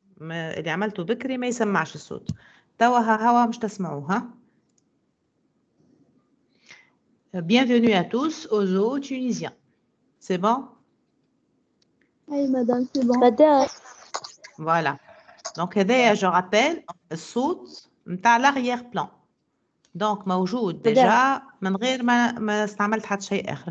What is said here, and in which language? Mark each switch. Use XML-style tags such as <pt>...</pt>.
<ar>ما اللي عملته بكري ما يسمعش الصوت. توا ها هوا مش تسمعوها.</ar> <fr>Bienvenue à tous aux zoo tunisiens. C'est bon؟</fr> <ar>اي مدام سي بون.</ar> <fr>Voilà. Donc, je rappelle, الصوت نتاع l'arrière-plan.</fr> <ar>Donc, موجود déjà, من غير ما استعملت حتى شيء آخر.</ar>